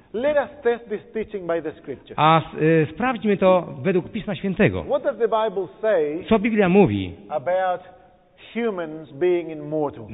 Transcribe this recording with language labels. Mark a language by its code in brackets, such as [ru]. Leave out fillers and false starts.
[en] Let us test this teaching by the scripture. [pl] Sprawdźmy to według Pisma Świętego. [en] What does the Bible say? [pl] Co Biblia mówi? [en] About humans being immortal.